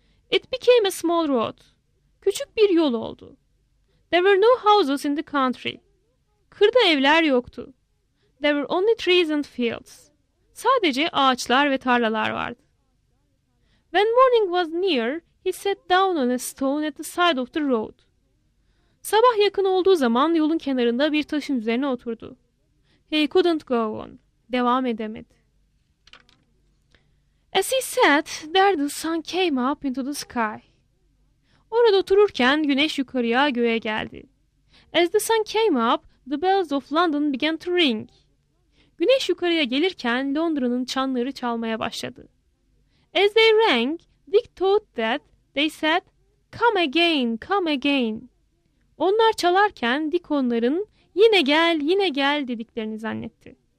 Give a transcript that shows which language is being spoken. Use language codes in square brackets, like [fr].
[en] It became a small road. [tr] Küçük bir yol oldu. [en] There were no houses in the country. [tr] Kırda evler yoktu. [en] There were only trees and fields. [tr] Sadece ağaçlar ve tarlalar vardı. [en] When morning was near, he sat down on a stone at the side of the road. [tr] Sabah yakın olduğu zaman yolun kenarında bir taşın üzerine oturdu. [en] He couldn't go on. [tr] Devam edemedi. [en] As he sat, there the sun came up into the sky. [tr] Orada otururken güneş yukarıya göğe geldi. [en] As the sun came up, the bells of London began to ring. [tr] Güneş yukarıya gelirken Londra'nın çanları çalmaya başladı. [en] As they rang, Dick thought that they said, "Come again, come again." [tr] Onlar çalarken Dick onların "Yine gel, yine gel" dediklerini zannetti.